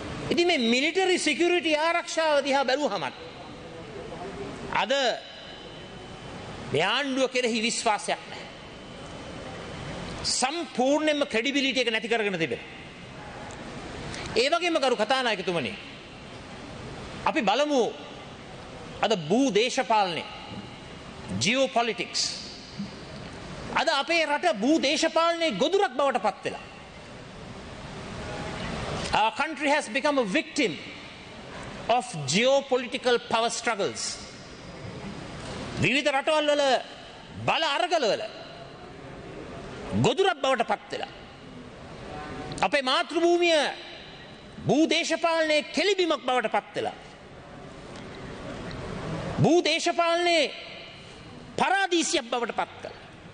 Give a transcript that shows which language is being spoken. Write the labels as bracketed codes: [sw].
[si] ඉතින් මේ military security ආරක්ෂාව දිහා බැලුවහම අද මේ ආණ්ඩුව කෙරෙහි විශ්වාසයක් නැහැ. සම්පූර්ණයෙන්ම ක්‍රෙඩිබිලිටි එක නැති කරගෙන තිබෙන. ඒ වගේම ගරු කතානායකතුමනි, අපි බලමු අද භූ දේශපාලනය, ජියෝ පොලිටික්ස්. අද අපේ රට භූ දේශපාලනයේ ගොදුරක් බවට පත් වෙලා, [en] Our country has become a victim of geopolitical power struggles. [si] විවිධ රටවල් වල බල අරගල වල ගොදුරක් බවට පත් වෙලා අපේ මාතෘභූමිය භූදේශපාලනයේ කෙළිබිමක් බවට පත් වෙලා භූදේශපාලනයේ පරාදීසියක් බවට පත් කළා.